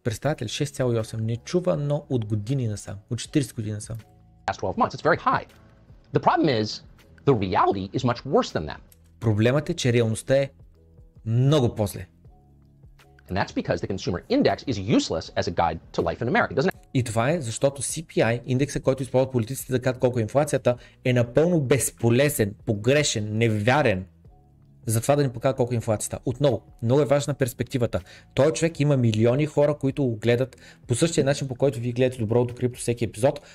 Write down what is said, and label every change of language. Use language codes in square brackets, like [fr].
[bg] Представете ли, 6,8% не чува, но от години насам, от 40 години насам. [en] The problem is... The reality is much worse than that. [bg] Проблемът е, че реалността е много по-зле. [en] And that's because the consumer index is useless as a guide to life in America, doesn't it? [bg] И това е защото CPI, индексът, който използват политиците да кажат колко е инфлацията, е напълно безполезен, погрешен, невярен за това да ни покажа колко е инфлацията. Отново, много е важна перспективата. Той човек има милиони хора, които го гледат по същия начин, по който вие гледате Добро до крипто всеки епизод.